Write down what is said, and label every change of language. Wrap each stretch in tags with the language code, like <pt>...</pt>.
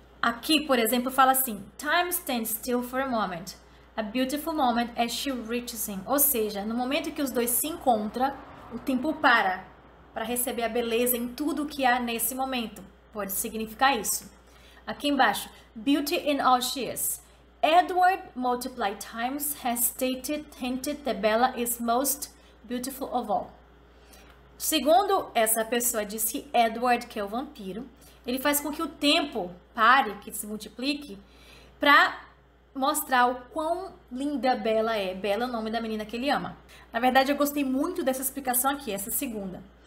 <pt>Aqui, por exemplo, fala assim:</pt> <en>Time stands still for a moment, a beautiful moment as she reaches him.</en> <pt>Ou seja, no momento que os dois se encontram, o tempo para receber a beleza em tudo que há nesse momento. Pode significar isso. Aqui embaixo:</pt> <en>Beauty in all she is. Edward multiply times has stated, hinted that Bella is most beautiful of all.</en> <pt>Segundo essa pessoa, disse que Edward, que é o vampiro, ele faz com que o tempo pare, que se multiplique, para mostrar o quão linda Bella é. Bella é o nome da menina que ele ama. Na verdade, eu gostei muito dessa explicação aqui, essa segunda.</pt>